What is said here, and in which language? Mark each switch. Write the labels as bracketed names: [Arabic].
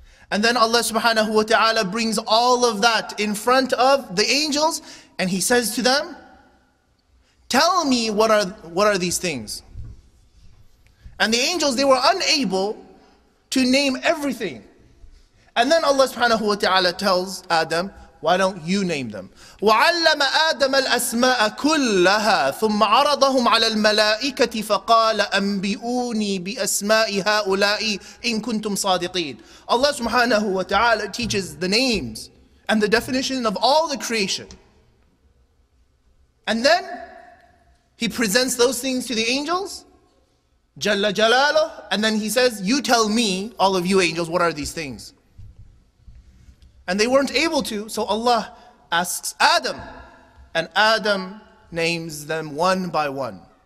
[English] And then Allah subhanahu wa ta'ala brings all of that in front of the angels and he says to them, tell me what are these things. And the angels, they were unable to name everything. And then Allah subhanahu wa ta'ala tells Adam, why don't you name them? [Arabic] وَعَلَّمَ آدَمَ الْأَسْمَاءَ كُلَّهَا ثُمَّ عَرَضَهُمْ عَلَى الْمَلَائِكَةِ فَقَالَ أَنْبِئُونِي بِأَسْمَاءِ هَؤُلَاءِ إِن كُنْتُمْ صَادِقِينَ [English] Allah subhanahu wa ta'ala teaches the names and the definition of all the creation. And then he presents those things to the angels, [Arabic] جَلَّ جَلَالُهُ, [English] and then he says, you tell me, all of you angels, what are these things? And they weren't able to, so Allah asks Adam, And Adam names them one by one.